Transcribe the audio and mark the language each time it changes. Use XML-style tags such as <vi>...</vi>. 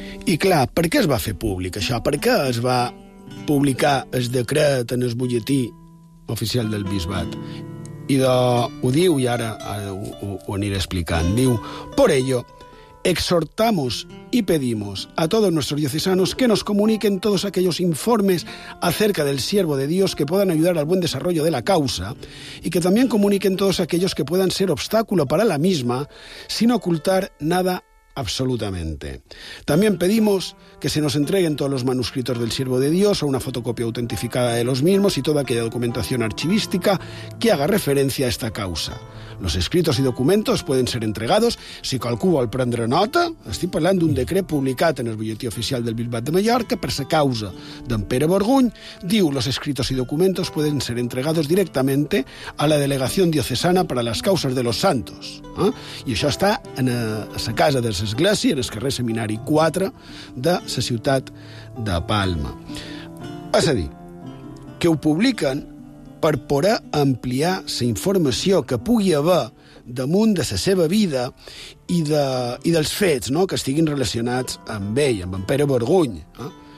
<ca>I clar, per què es va fer públic això? Per què es va publicar el decret en el butlletí oficial del bisbat? I ho diu, i ara ho aniré explicant, diu:</ca> <es>por ello, exhortamos y pedimos a todos nuestros diocesanos que nos comuniquen todos aquellos informes acerca del siervo de Dios que puedan ayudar al buen desarrollo de la causa y que también comuniquen todos aquellos que puedan ser obstáculo para la misma sin ocultar nada absolutamente. También pedimos que se nos entreguen todos los manuscritos del siervo de Dios o una fotocopia autentificada de los mismos y toda aquella documentación archivística que haga referencia a esta causa. Los escritos y documentos pueden ser entregados,</es> <ca>si qualcú vol prendre nota, estic parlant d'un decret publicat en el butlletí oficial del Bisbat de Mallorca per la causa d'en Pere Borgüín, diu:</ca> <es>los escritos y documentos pueden ser entregados directamente a la delegación diocesana para las causas de los santos. ¿Eh?</es> <ca>I això està en la casa de l'església, en el carrer Seminari 4 de la ciutat de Palma. És a dir, que ho publiquen per poder ampliar la informació que pugui haver damunt de la seva vida i dels fets, no?, que estiguin relacionats amb ell, amb en Pere Borgüín, eh?</ca>